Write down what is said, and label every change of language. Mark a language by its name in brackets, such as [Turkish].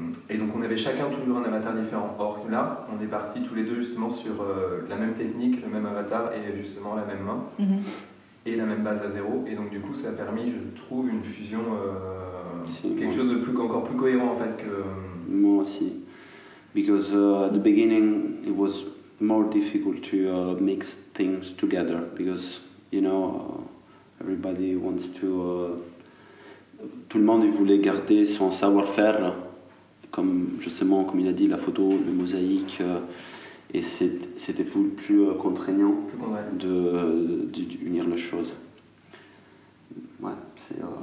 [French] Et donc, on avait chacun toujours un avatar différent. Or, là, on est partis tous les deux justement sur la même technique, le même avatar, et justement la même main, mmh. et la même base à zéro. Et donc, du coup, ça a permis, je trouve, une fusion... quelque chose de plus, encore plus cohérent en fait que... Moi aussi. [English] Because at the beginning it was more difficult to mix things together because, you know, everybody wants to... [French] Tout le monde voulait garder son savoir-faire, comme justement, comme il a dit, la photo, le mosaïque, et c'était plus contraignant d'unir les choses. Ouais, c'est...